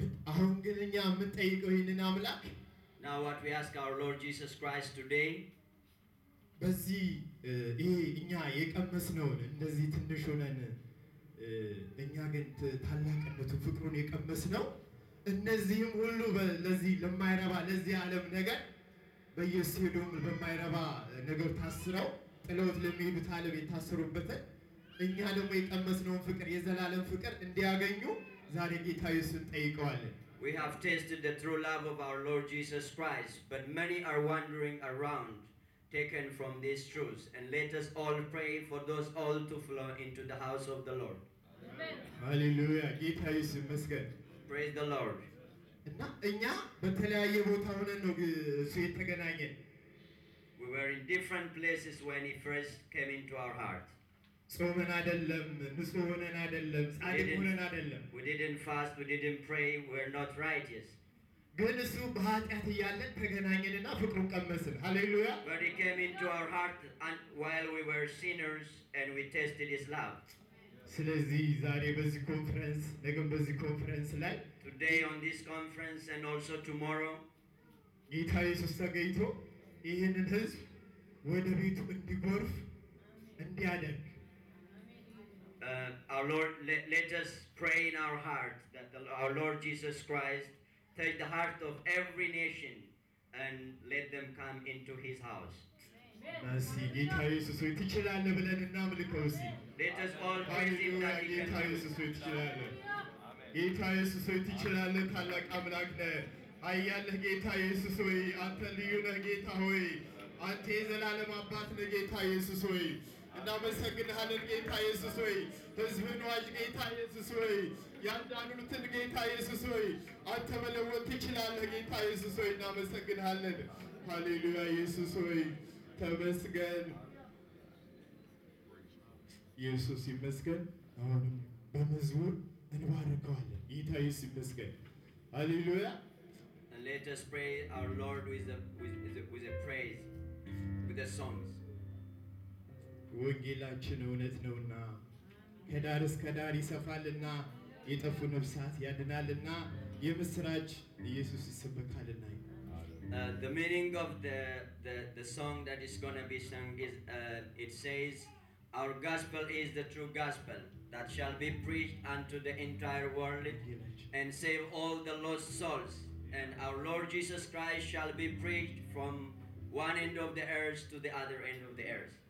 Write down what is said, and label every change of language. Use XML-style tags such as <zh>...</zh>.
<am>አሁን ግን እኛ የምንጠይቀው ይህንን አምላክ</am> <en>Now what we ask our Lord Jesus Christ today</en> <am>በዚህ ይሄ እኛ የቀመስነውን እንደዚህ ትንሽ ሆነን እኛ ግን ታላቅነቱ ፍቅሩን የቀመስነው እነዚህም ሁሉ ለዚህ ለማይረባ ለዚህ ዓለም ነገር በየሴዶም ለማይረባ ነገር ታስረው ጥለውት ለሚሄዱት ዓለም የታሰሩበትን እኛ ደግሞ የቀመስነውን ፍቅር የዘላለም ፍቅር እንዲያገኙ ዛሬ ጌታ ኢየሱስን ጠይቀዋለን</am> <en>We have tasted the true love of our Lord Jesus Christ but many are wandering around taken from these truths and let us all pray for those all to flow into the house of the Lord Amen Hallelujah</en> <am>ጌታ ኢየሱስ ይመስገን</am> <en>Praise the Lord</en> <am>እና እኛ በተለያየ ቦታ ሆነን ነው እሱ የተገናኘን</am> <en>We were in different places when he first came into our heart</en> <am>ጾመን አይደለም ንጹህ ሆነን አይደለም ጻድቅ ሆነን አይደለም</am> <en>we didn't fast we didn't pray we were not righteous</en> <am>ግን እሱ በኃጢአት ያለን ተገናኘንና ፍቅሩን ቀመስን ሃሌሉያ</am> <en>but he came into our heart and while we were sinners and we tasted his love</en> <am>ስለዚህ ዛሬ በዚህ ኮንፈረንስ ነገም በዚህ ኮንፈረንስ ላይ</am> <en>today on this conference and also tomorrow</en> <am>ጌታ ኢየሱስ ተገይቶ ይሄንን ህዝብ ወደ ቤቱ እንዲጎርፍ እንዲያደርግ</am> <en>our Lord, let us pray in our heart that our Lord Jesus Christ touch the heart of every nation and let them come into his house. Let us all praise him that he can do.</en> <am>ጌታ ኢየሱስ ሆይ ትችላለህ፣ ታላቅ አምላክ ነህ። አያለህ ጌታ ኢየሱስ ሆይ፣ አንተ ልዩ ነህ ጌታ ሆይ፣ አንተ የዘላለም አባት ነህ ጌታ ኢየሱስ ሆይ። እናመሰግንሃለን ጌታ ኢየሱስ ሆይ፣ ሕዝብህን ዋጅ ጌታ ኢየሱስ ሆይ፣ ያዳኑትን ጌታ ኢየሱስ ሆይ፣ አንተ መለወጥ ትችላለህ ጌታ ኢየሱስ ሆይ። እናመሰግንሃለን። ሃሌሉያ ኢየሱስ ሆይ ተመስገን። ኢየሱስ ይመስገን። አሁንም በመዝሙር እንባርከዋለን። ጌታ ኢየሱስ ይመስገን። ሃሌሉያ።</am> <en>And let us pray our Lord with a praise, with the songs.</en> <am>ወንጌላችን እውነት ነውና ከዳር እስከ ዳር ይሰፋልና የጠፉ ነፍሳት ያድናልና የምስራች ኢየሱስ ይሰበካልና።</am> <en>The meaning of the song that is going to be sung is it says our gospel is the true gospel that shall be preached unto the entire world and save all the lost souls, and our Lord Jesus Christ shall be preached from one end of the earth to the other end of the earth.</en>